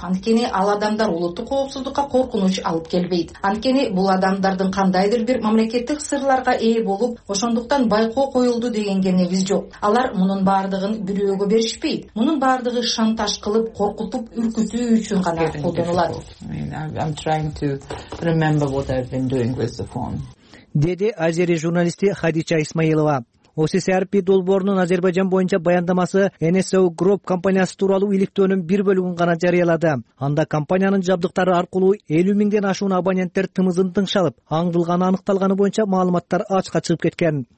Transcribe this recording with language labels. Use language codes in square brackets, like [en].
[ky] Анткени ал адамдар улуттук коопсуздукка коркунуч алып келбейт. Анткени бул адамдардын кандайдыр бир мамлекеттик сырларга ээ болуп, ошондуктан байкоо коюлду дегенге негиз жок. Алар мунун баардыгын бирөөгө беришпейт. Мунун баардыгы шантаж кылып, коркутуп, үркүтүү үчүн гана колдонулат. [en] I'm trying to remember what I've been doing with the phone. [ky] Деди азери журналисти Хадича Исмаилова. OSCRP долбоорунун Азербайжан боюнча баяндамасы NSO Group компаниясы тууралуу иликтөөнүн бир бөлүгүн гана жарыялады. Анда компаниянын жабдыктары аркылуу 50,000ден ашуун абоненттер тымызын тыңшалып, аңдылганы аныкталганы боюнча маалыматтар ачыкка чыгып кеткен.